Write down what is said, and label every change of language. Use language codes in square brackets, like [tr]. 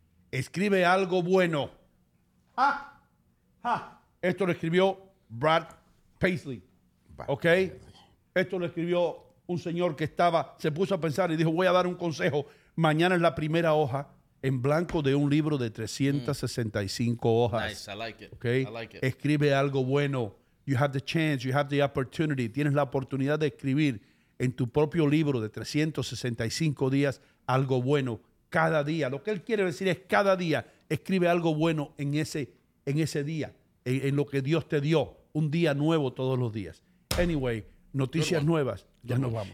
[es] Escribe algo bueno. ¡Ja! ¡Ja! Esto lo escribió Brad Paisley. ¿Ok? Esto lo escribió un señor que estaba, se puso a pensar y dijo, voy a dar un consejo. Mañana es la primera hoja en blanco de un libro de 365 hojas. [en] Nice, I like it. Okay? I like it. [es] Escribe algo bueno. [en] You have the chance, you have the opportunity. [es] Tienes la oportunidad de escribir en tu propio libro de 365 días algo bueno. Cada día. Lo que él quiere decir es cada día escribe algo bueno en ese, en ese día, en lo que Dios te dio, un día nuevo todos los días. Anyway, noticias nuevas, ya nos vamos.